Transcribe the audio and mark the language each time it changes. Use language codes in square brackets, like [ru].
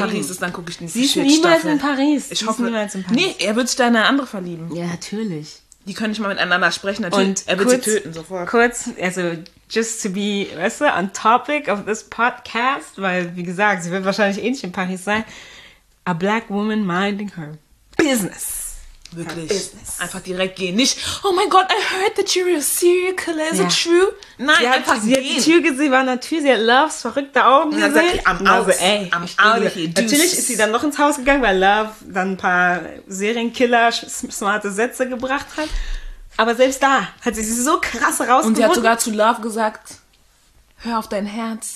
[de] In Paris ist, dann gucke ich nicht. Sie ist niemals in Paris. Ich hoffe, sie ist niemals in Paris. Nee, er wird sich da eine andere verlieben. Ja, natürlich. Die können nicht mal miteinander sprechen. Natürlich. Und er wird sie töten sofort. Kurz, also... Just to be, weißt du, on topic of this podcast, weil, wie gesagt, sie wird wahrscheinlich eh nicht in Paris sein. [en] A black woman minding her business. [de] Wirklich. [en] Her business. [de] Einfach direkt gehen. [en] Nicht, oh my God, I heard that you're a serial killer. Is it true? [de] Nein, sie einfach gehen. Sie hat die Tür gesehen, war an der Tür. Sie hat Loves verrückte Augen gesehen. Und dann sag ich, [en] I'm out. [de] Also, ey, [en] I'm out of here. [de] Natürlich ist sie dann noch ins Haus gegangen, weil Love dann ein paar Serienkiller smarte Sätze gebracht hat. Aber selbst da hat sie so krass rausgeholt. Und sie hat sogar zu Love gesagt, hör auf dein Herz.